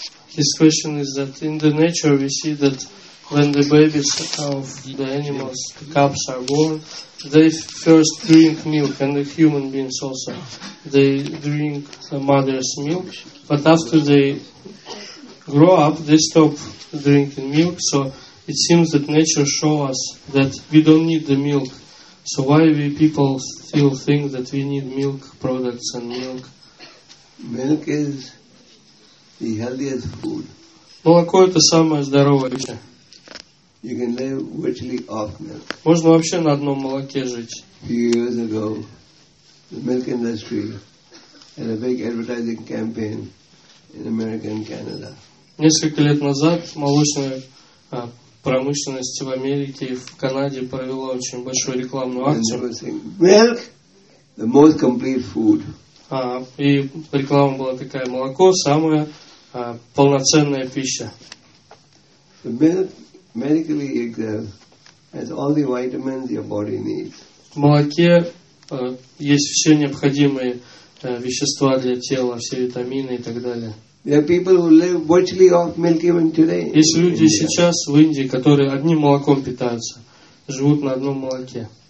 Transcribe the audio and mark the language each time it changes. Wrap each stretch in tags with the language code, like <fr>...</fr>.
<en>His question is that in the nature we see that when the babies of the animals, the cubs are born, they first drink milk, and the human beings also, they drink the mother's milk, but after they grow up, they stop drinking milk, so it seems that nature shows us that we don't need the milk, so why we people still think that we need milk products and milk? Milk is the healthiest food.</en> <ru>Молоко это самое здоровое вещь.</ru> <en>You can live virtually off milk.</en> <ru>Можно вообще на одном молоке жить.</ru> <en>Few years ago, the milk industry had a big advertising campaign in America and Canada.</en> <ru>Несколько лет назад молочная промышленность в Америке и в Канаде провела очень большую рекламную акцию.</ru> <en>And they were saying, milk, the most complete food.</en> <ru>И реклама была такая: молоко самое полноценная пища.</ru> <en>The milk medically has all the vitamins your body needs.</en> <ru>В молоке есть все необходимые вещества для тела, все витамины и так далее.</ru> <en>There are people who live virtually off milk even today.</en> <ru>Есть люди сейчас в Индии, которые одним молоком питаются, живут на одном молоке.</ru>